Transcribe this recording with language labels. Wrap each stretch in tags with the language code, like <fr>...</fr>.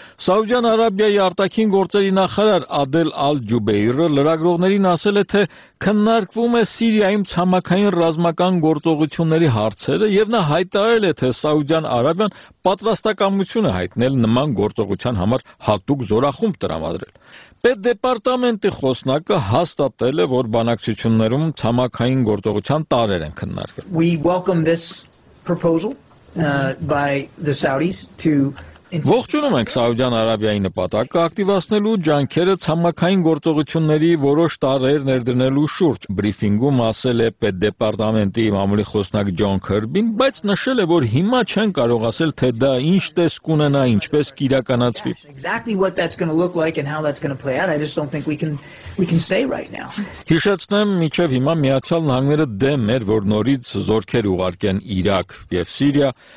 <hy>Սաուդյան Արաբիայի արտաքին գործերի նախարար Ադել Ալ-Ջուբեյրը լրագրողներին ասել է, թե քննարկվում է Սիրիայում ցամաքային ռազմական գործողությունների հարցերը, և նա հայտարարել է, թե Սաուդյան Արաբիան պատրաստակամություն է հայտնել նման գործողության համար հատուկ զորախումբ տրամադրել։ Պետ դեպարտամենտի խոսնակը հաստատել է, որ բանակցություններում ցամաքային գործողության տարրեր են քննարկվել։</hy> <en>We welcome this proposal by the Saudis to</en> <hy>Ողջունում ենք Սաուդյան Արաբիայի նպատակը ակտիվացնելու ջանքերը ցամաքային գործողությունների որոշ տարրեր ներդնելու շուրջ։ Բրիֆինգում ասել է Պետ դեպարտամենտի մամուլի խոսնակ Ջոն Քերբին, բայց նշել է, որ հիմա չեն կարող ասել, թե դա ինչ տեսք ունենա, ինչպես կիրականացվի։ Հիշեցնեմ, մինչև հիմա Միացյալ Նահանգները դեմ էր, որ նորից զորքեր ուղարկեն Իրաք և Սիրիա,</hy>